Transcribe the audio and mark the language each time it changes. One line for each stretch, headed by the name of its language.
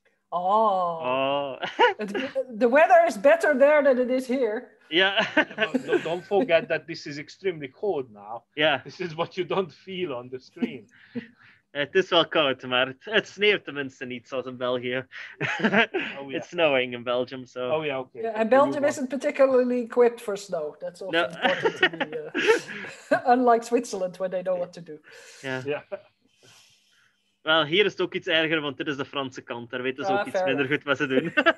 English: The weather is better there than it is here. Yeah. don't forget that this is extremely cold now. Yeah. This is what you don't feel on the screen.
Dutch: Het is wel koud, maar het sneeuwt tenminste niet zoals in België.
English: It's snowing in Belgium, so... Oh yeah, okay. And Belgium isn't particularly equipped for snow. That's also important to be unlike Switzerland, where they know what to do. Yeah.
Dutch: Wel, hier is het ook iets erger, want dit is de Franse kant. Daar weten ze ook iets minder goed wat ze doen.